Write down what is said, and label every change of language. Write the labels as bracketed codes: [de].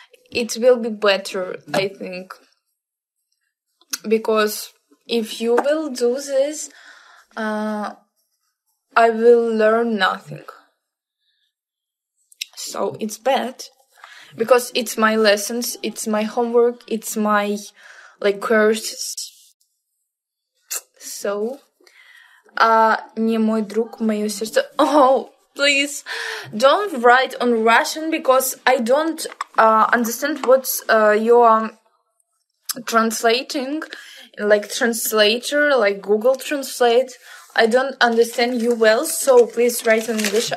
[en] It will be better, I think, because if you will do this, I will learn nothing, so it's bad. Because it's my lessons, it's my homework, it's my, like, courses. [ru] So, не мой друг, моё сердце. [en] Oh, please, don't write on Russian because I don't understand what you are translating. Like, translator, like Google Translate. I don't understand you well, so please write in English.